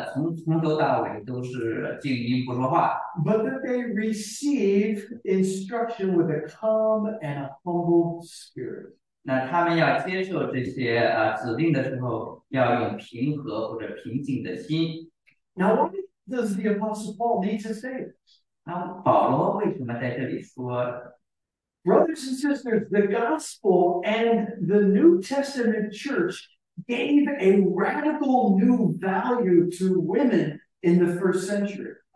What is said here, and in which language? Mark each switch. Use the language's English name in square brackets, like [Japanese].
[Chinese] 这不是说这妇女应当是从头到尾都是静音不说话。 [English] But that they receive instruction with a calm and a humble spirit. [Chinese] 那他们要接受这些指令的时候，要用平和或者平静的心。 [English] Now what does the Apostle Paul need to say? [Chinese] 那保罗为什么在这里说？ [English] Brothers and sisters, the gospel and the New Testament church gave a radical new value to women in the first century.